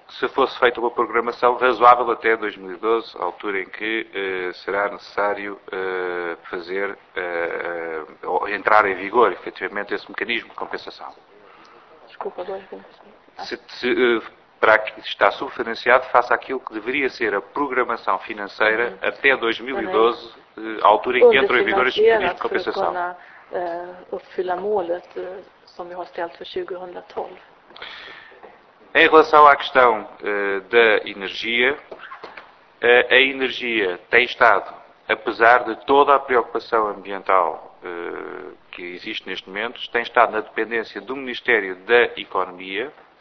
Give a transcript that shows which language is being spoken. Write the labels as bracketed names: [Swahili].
[Portuguese] Se fosse feita uma programação razoável até 2012, a altura em que será necessário fazer ou entrar em vigor, efetivamente, esse mecanismo de compensação. Desculpa, dois minutos. Para que está subfinanciado, faça aquilo que deveria ser a programação financeira até 2012, à altura em que entrou em vigor este mecanismo de compensação. Para [Swedish] uppfylla målet som vi har ställt för 2012. [Portuguese] Em relação à questão da energia, a energia tem estado, apesar de toda a preocupação ambiental que existe neste momento, tem estado na dependência do Ministério da Economia.